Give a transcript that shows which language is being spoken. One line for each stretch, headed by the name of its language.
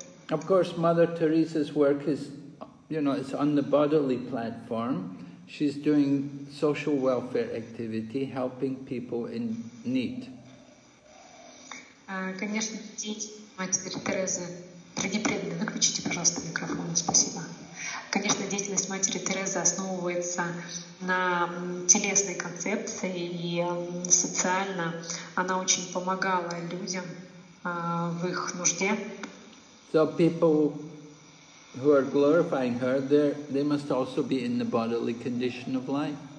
English: Of course, Mother Teresa's work is, you know, it's on the bodily platform. She's doing social welfare activity, helping people in need.
Russian: Конечно, деятельность Матери Терезы. Дорогие преданные, выключите, пожалуйста, микрофон. Спасибо. Конечно, деятельность Матери Терезы основывается на телесной концепции, и социально она очень помогала людям в их нужде.
English: So people who are glorifying her, they must also be in the bodily condition of life.